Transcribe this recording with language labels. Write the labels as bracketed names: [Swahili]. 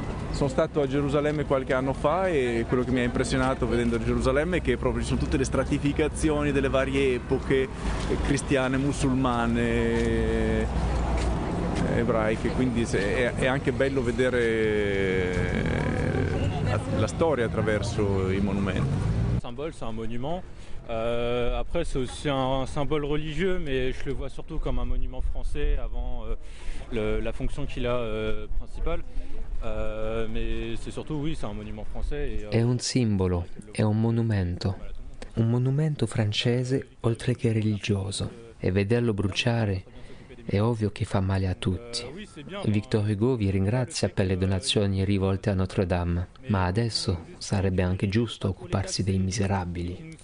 [Italian] Sono stato a Gerusalemme qualche anno fa e quello che mi ha impressionato vedendo Gerusalemme è che proprio ci sono tutte le stratificazioni delle varie epoche cristiane, musulmane, ebraiche, quindi è anche bello vedere la storia attraverso i monumenti. [French] Symbole, c'est un monument. Après, c'est aussi un symbole religieux, mais je le vois surtout comme un monument français avant la fonction qu'il a principale. [Italian] È un simbolo, è un monumento. Un monumento francese oltre che religioso. E vederlo bruciare è ovvio che fa male a tutti. Victor Hugo vi ringrazia per le donazioni rivolte a Notre Dame, ma adesso sarebbe anche giusto occuparsi dei miserabili.